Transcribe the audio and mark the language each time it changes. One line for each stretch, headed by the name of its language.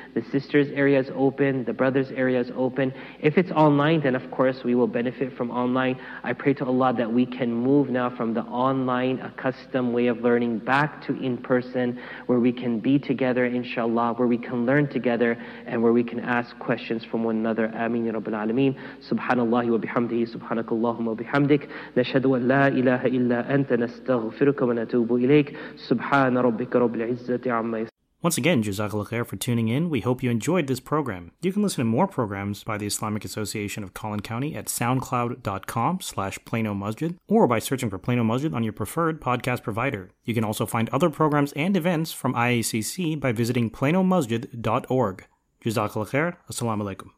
English: The sisters area is open, the brothers area is open. If it's online, then of course we will benefit from online. I pray to Allah that we can move now from the online accustomed way of learning back to in person where we can be together inshallah, where we can learn together and where we can ask questions from one another.
Arabic: Ameen ya Rabbil Alameen. Subhanallah wa bihamdihi subhanakallahumma wa bihamdik. Nashhadu an la ilaha illa أنت نستغفرك ونتوب إليك سبحان ربك رب العزة عما
English: Once again, Jazakallah Khair for tuning in. We hope you enjoyed this program. You can listen to more programs by the Islamic Association of Collin County at soundcloud.com/Plano Masjid or by searching for Plano Masjid on your preferred podcast provider. You can also find other programs and events from IACC by visiting planomasjid.org. Jazakallah Khair. Assalamu alaikum.